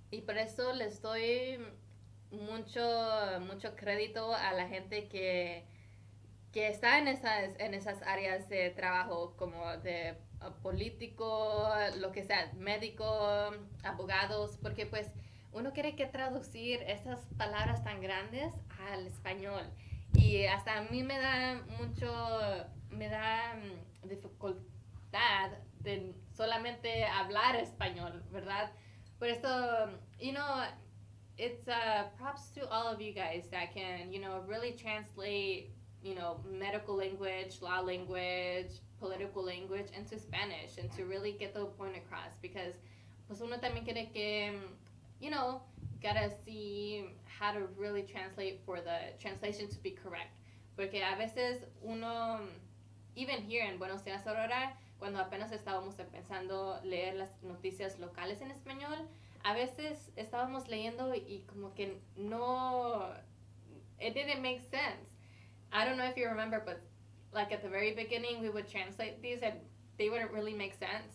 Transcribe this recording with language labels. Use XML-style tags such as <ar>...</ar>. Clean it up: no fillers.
<es>Y por eso le estoy mucho mucho crédito a la gente que está en esas áreas de trabajo como de político, lo que sea, médico, abogados, porque pues uno quiere que traducir esas palabras tan grandes al español. Y hasta a mí me da dificultad de solamente hablar español, ¿verdad? Por esto,</es> <en>you know, it's props to all of you guys that can, you know, really translate, you know, medical language, law language, political language into Spanish and to really get the point across. Because,</en> <es>pues uno también quiere que,</es> <en>you know, gotta see how to really translate for the translation to be correct.</en> <es>Porque a veces uno,</es> <en>even here in</en> <es>Buenos Aires, Aurora, cuando apenas estábamos empezando a leer las noticias locales en español, a veces estábamos leyendo y como que no,</es> <en>it didn't make sense. I don't know if you remember, but like at the very beginning, we would translate these and they wouldn't really make sense.</en>